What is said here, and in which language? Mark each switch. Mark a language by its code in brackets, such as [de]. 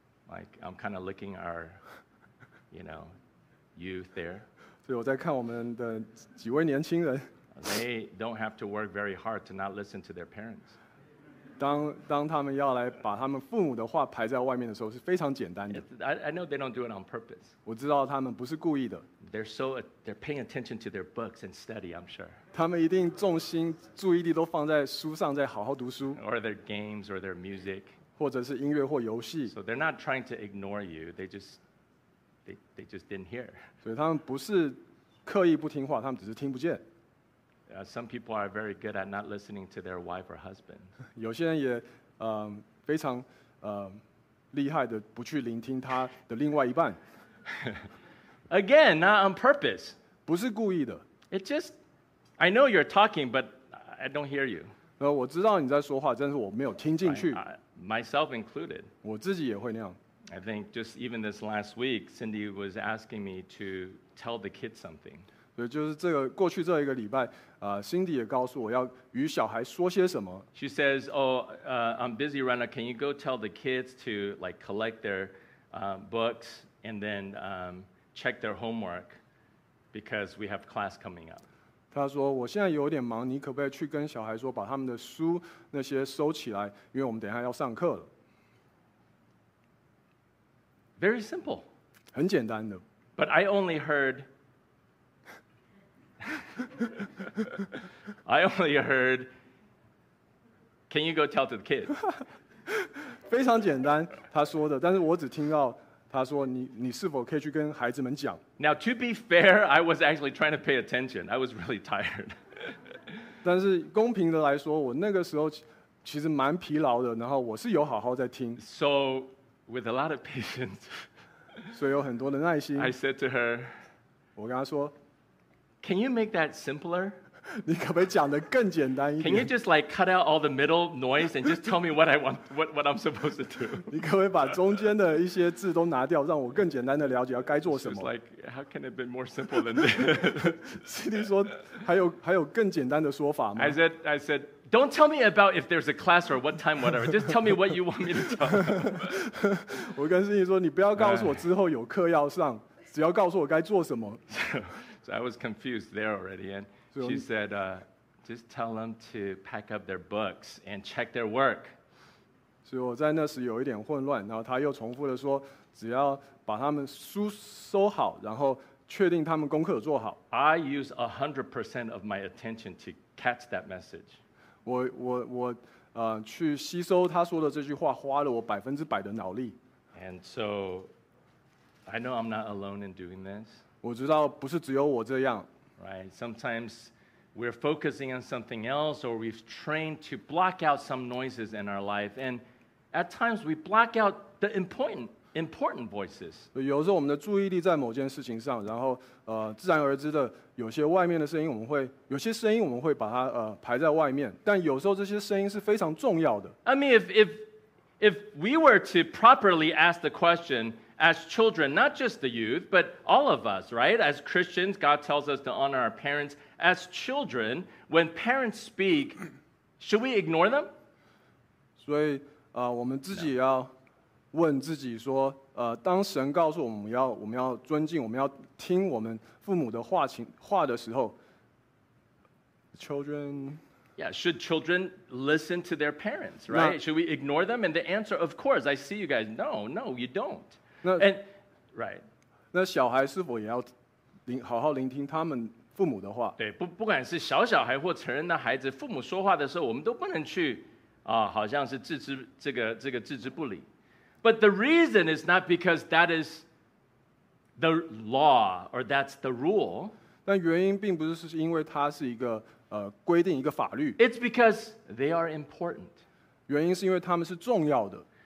[en] Like I'm kind of looking our, you know, youth there. [zh] 所以我在看我们的几位年轻人。 [en] They don't have to work very hard to not listen to their parents. [zh] 当他们要来把他们父母的话排在外面的时候，是非常简单的。 [en] I know they don't do it on purpose. [zh] 我知道他们不是故意的。 [en] They're paying attention to their books and study, I'm sure. [zh] 他们一定重心注意力都放在书上，在好好读书。 [en] Or their games or their music. [zh] 或者是音乐或游戏。 [en] So they're not trying to ignore you. They just didn't hear. [zh] 所以他们不是刻意不听话，他们只是听不见。 [en] Some people are very good at not listening to their wife or husband. [zh] 有些人也非常厉害的不去聆听他的另外一半。 [en] Again, not on purpose. [zh] 不是故意的。 [en] It just, I know you're talking, but I don't hear you. [zh] 我知道你在说话，但是我没有听进去。 [en] Myself included. [zh] 我自己也会那样。 [en] I think just even this last week, Cindy was asking me to tell the kids something. [zh] 所以就是这个过去这一个礼拜，Cindy 也告诉我要与小孩说些什么。 [en] She says, "Oh, I'm busy right now. Can you go tell the kids to like collect their books and then check their homework because we have class coming up." [zh] 她说我现在有点忙，你可不可以去跟小孩说把他们的书那些收起来，因为我们等一下要上课了。 [en] Very simple. [zh] 很简单的。 [en] But I only heard. I only heard, "Can you go tell to the kids?" [zh] 非常简单，他说的。但是我只听到他说，你是否可以去跟孩子们讲 [en] ？Now, to be fair, I was actually trying to pay attention. I was really tired. [zh] 但是公平的来说，我那个时候其实蛮疲劳的。然后我是有好好在听。 [en] So, with a lot of patience, [zh] 所以有很多的耐心。 [en] I said to her, [zh] 我跟他说。 [en] Can you make that simpler? [zh] 你可不可以讲得更简单一点? [en] Can you just like cut out all the middle noise and just tell me what I want, what I'm supposed to do? [zh] 你可不可以把中间的一些字都拿掉，让我更简单的了解要该做什么? [en] She was like, how can it be more simple than this? [zh] Cindy 说，还有更简单的说法吗? [en] I said, don't tell me about if there's a class or what time, whatever. Just tell me what you want me to tell. [zh] 我跟 Cindy 说，你不要告诉我之后有课要上，只要告诉我该做什么。 [en] So I was confused there already, and she said, just tell them to pack up their books and check their work. [zh] 所以我在那时有一点混乱，然后她又重复地说，只要把他们书收好，然后确定他们功课做好。 [en] I use 100% of my attention to catch that message. [zh] 我去吸收她说的这句话，花了我100%的脑力。 [en] And so, I know I'm not alone in doing this. [zh] 我知道不是只有我这样。 [en] Right, sometimes we're focusing on something else, or we've trained to block out some noises in our life, and at times we block out the important voices. [zh] 有时候我们的注意力在某件事情上，然后自然而知的，有些外面的声音我们会，有些声音我们会把它排在外面，但有时候这些声音是非常重要的。 [en] I mean, if we were to properly ask the question. As children, not just the youth, but all of us, right? As Christians, God tells us to honor our parents. As children, when parents speak, should we ignore them? [zh] 所以，我们自己要问自己说，当神告诉我们要尊敬，我们要听我们父母的话的时候 ， [en] children. Yeah, should children listen to their parents, right? Should we ignore them? And the answer, of course, I see you guys. No, you don't. Right. [zh] 那小孩是否也要好好聆听他们父母的话？对，不管是小小孩或成人的孩子，父母说话的时候，我们都不能去好像是置之不理。 [en] But the reason is not because that is the law or that's the rule. [zh] 但原因并不是因为它是一个规定一个法律。 [en] It's because they are important. [zh] 原因是因为他们是重要的。